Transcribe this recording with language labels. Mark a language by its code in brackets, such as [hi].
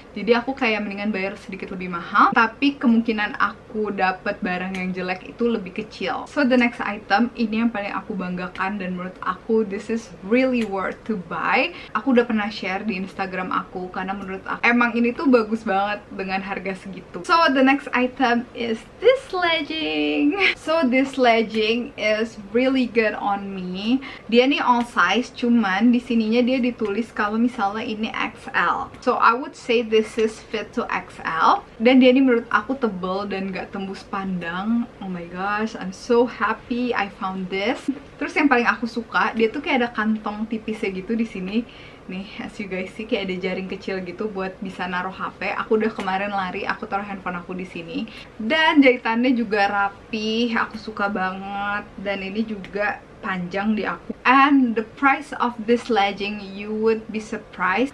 [id] Jadi aku kayak mendingan bayar sedikit lebih mahal, tapi kemungkinan aku dapat barang yang jelek itu lebih kecil. [en] So the next item, [id] ini yang paling aku banggakan dan menurut aku [en] this is really worth to buy. [id] Aku udah pernah share di Instagram aku karena menurut aku emang ini tuh bagus banget dengan harga segitu. [en] So the next item is this legging. So this legging is really good on me. [id] Dia nih all size, cuman di sininya dia ditulis kalau misalnya ini XL. [en] So I would say this is fit to XL. [id] Dan dia nih menurut aku tebel dan gak tembus pandang. [en] Oh my gosh, I'm so happy I found this. [id] Terus yang paling aku suka, dia tuh kayak ada kantong tipisnya gitu di sini. Nih, [en] as you guys see, [id] kayak ada jaring kecil gitu buat bisa naruh HP. Aku udah kemarin lari, aku taruh handphone aku di sini. Dan jahitannya juga rapi, aku suka banget. Dan ini juga panjang di aku. [en] And the price of this legging, you would be surprised.